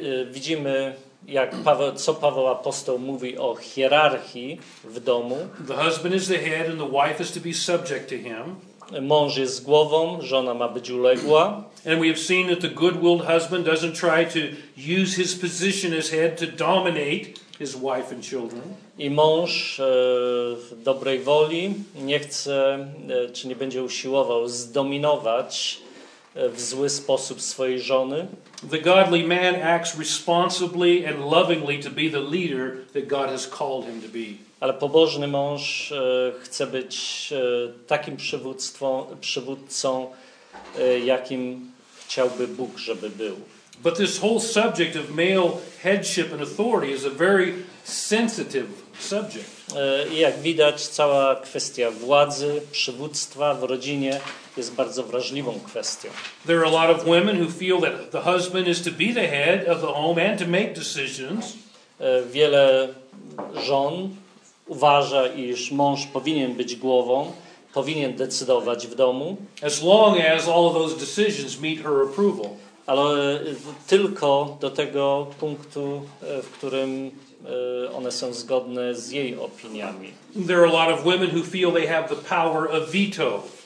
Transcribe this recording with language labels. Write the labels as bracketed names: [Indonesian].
[Polish] Widzimy, jak Paweł, co Paweł Apostoł mówi o hierarchii w domu. [English] The husband is the head and the wife is to be subject to him. [Polish] Mąż jest głową, żona ma być uległa. [English] And we have seen that the good-willed husband doesn't try to use his position as head to dominate his wife and children. [Polish] I mąż w dobrej woli nie chce, czy nie będzie usiłował zdominować w zły sposób swojej żony. [English] The godly man acts responsibly and lovingly to be the leader that God has called him to be. [Polish] Ale pobożny mąż chce być takim przywódcą, jakim chciałby Bóg, żeby był. [English] But this whole subject of male headship and authority is a very sensitive subject. [Polish] Jak widać, cała kwestia władzy, przywództwa w rodzinie jest bardzo wrażliwą kwestią. [English] There are a lot of women who feel that the husband is to be the head of the home and to make decisions. [Polish] Wiele żon uważa, iż mąż powinien być głową, powinien decydować w domu. [English] As long as all of those decisions meet her approval. [Polish] Ale tylko do tego punktu, w którym one są zgodne z jej opiniami. [English] There are a lot of women who feel they have the power of veto.